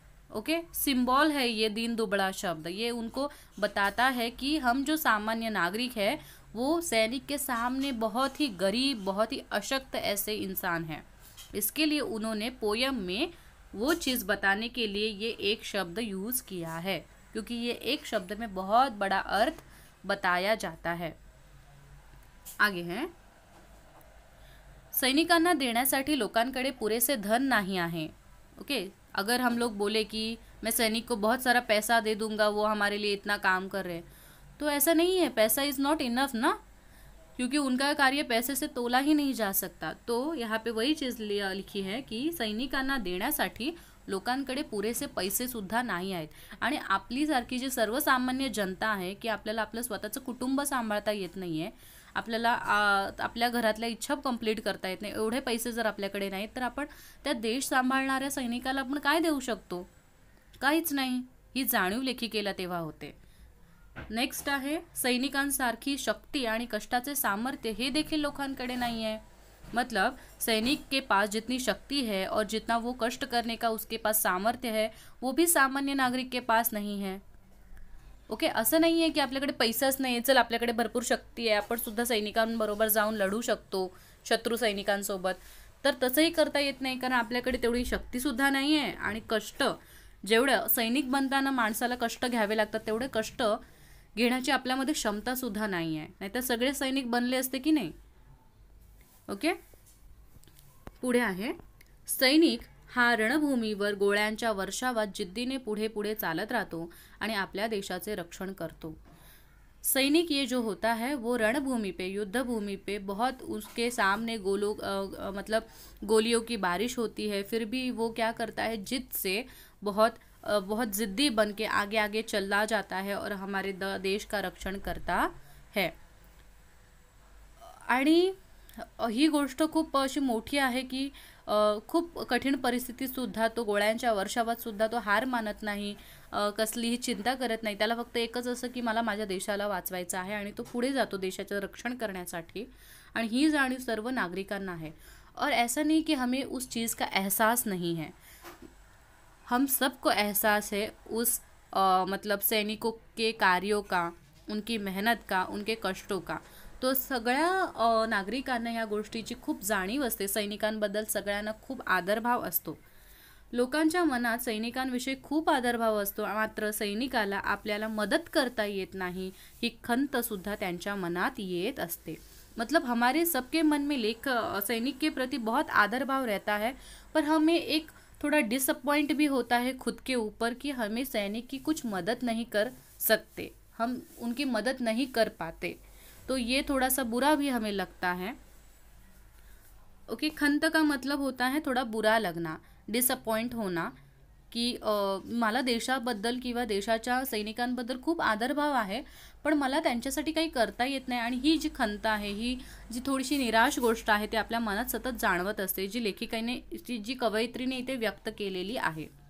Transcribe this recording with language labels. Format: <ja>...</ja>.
<hi>Okay symbol है ये दीन दुबड़ा शब्द, ये उनको बताता है कि हम जो सामान्य नागरिक है वो सैनिक के सामने बहुत ही गरीब बहुत ही अशक्त ऐसे इंसान हैं। इसके लिए उन्होंने पोयम में वो चीज़ बताने के लिए ये एक शब्द यूज़ किया है क्योंकि ये एक शब्द में बहुत बड़ा अर्थ बताया जाता है।</hi> <mr>आगे हैं सैनिकांना देण्यासाठी लोकांकडे पुरेसे धन नाही आहे।</mr> <hi>ओके अगर हम लोग बोले कि मैं सैनिक को बहुत सारा पैसा दे दूंगा वो हमारे लिए इतना काम कर रहे हैं तो ऐसा नहीं है, पैसा</hi> <en>is not enough</en> <hi>ना, क्योंकि उनका कार्य पैसे से तोला ही नहीं जा सकता।</hi> <mr>तो यहाँ पे वही चीज़ लिखी है कि सैनिकांना देण्यासाठी लोकांकडे पुरेसे पैसेसुद्धा नाही आहेत आणि आपल्यासारखी जी सर्वसामान्य जनता आहे की आपल्याला आपलं स्वतःचं कुटुंब सांभाळता येत नाही आहे, आपल्याला आपल्या घरातल्या इच्छा कंप्लीट करता येत नाही, एवढे पैसे जर आपल्याकडे नाहीत तर आपण त्या देश सांभाळणाऱ्या सैनिकाला आपण काय देऊ शकतो, काहीच नाही, ही जाणीव लेखिकेला तेव्हा होते। नेक्स्ट आहे सैनिकांसारखी शक्ती आणि कष्टाचे सामर्थ्य हे देखील लोकांकडे नाही आहे,</mr> <hi>मतलब सैनिक के पास जितनी शक्ति है और जितना वो कष्ट करने का उसके पास सामर्थ्य है वो भी सामान्य नागरिक के पास नहीं है।</hi> <mr>ओके असं नाही आहे की आपल्याकडे पैसाच नाही आहे, चल आपल्याकडे भरपूर शक्ती आहे आपण सुद्धा सैनिकांबरोबर जाऊन लढू शकतो शत्रू सैनिकांसोबत, तर तसंही करता येत नाही कारण आपल्याकडे तेवढी शक्तीसुद्धा नाही आहे आणि कष्ट जेवढं सैनिक बनताना माणसाला कष्ट घ्यावे लागतात तेवढे कष्ट घेण्याची आपल्यामध्ये क्षमतासुद्धा नाही आहे, नाहीतर सगळे सैनिक बनले असते की नाही। ओके पुढे आहे सैनिक हा रणभूमीवर गोळ्यांच्या वर्षावात जिद्दीने पुढे पुढे चालत राहतो आणि आपल्या देशाचे रक्षण करतो।</mr> <hi>सैनिक ये जो होता है वो रणभूमी पे युद्धभूमी पे बहुत उसके सामने मतलब गोलियों की बारिश होती है फिर भी वो क्या करता है जिद से बहुत बहुत जिद्दी बन के आगे आगे चला जाता है और हमारे देश का रक्षण करता है।</hi> <mr>आणि ही गोष्ट खूप अशी मोठी आहे की खूप कठीण परिस्थितीतसुद्धा तो गोळ्यांच्या वर्षावातसुद्धा तो हार मानत नाही, कसलीही चिंता करत नाही, त्याला फक्त एकच असं की मला माझ्या देशाला वाचवायचं आहे आणि तो पुढे जातो देशाचं रक्षण करण्यासाठी। आणि ही जाणीव सर्व नागरिकांना आहे</mr> <hi>और ऐसा नाही की हमें उस चीज का एहसास नहीं है, हम सबको एहसास है उस मतलब सैनिकों के कार्यों का उनकी मेहनत का उनके कष्टों का।</hi> <mr>तो सगळ्या नागरिकांना ह्या गोष्टीची खूप जाणीव असते, सैनिकांबद्दल सगळ्यांना खूप आदरभाव असतो, लोकांच्या मनात सैनिकांविषयी खूप आदरभाव असतो, मात्र सैनिकाला आपल्याला मदत करता येत नाही ही खंतसुद्धा त्यांच्या मनात येत असते।</mr> <hi>मतलब हमारे सबके मन में सैनिक के प्रति बहुत आदरभाव रहता है पर हमें एक थोड़ा डिसअपॉइंट भी होता है खुद के ऊपर कि हमें सैनिक की कुछ मदद नहीं कर सकते, हम उनकी मदद नहीं कर पाते, तो ये थोड़ा सा बुरा भी हमें लगता है। ओके खंत का मतलब होता है थोड़ा बुरा लगना, डिसअपॉइंट होना कि</hi> <mr>मला देशाबद्दल किंवा देशाच्या सैनिकांबद्दल खूप आदरभाव आहे पण मला त्यांच्यासाठी काही करता येत नाही। आणि ही जी खंत आहे ही जी थोडीशी निराश गोष्ट आहे ते आपल्या मनात सतत जाणवत असते, जी लेखिकेने जी कवयित्रीने इथे व्यक्त केलेली आहे।</mr>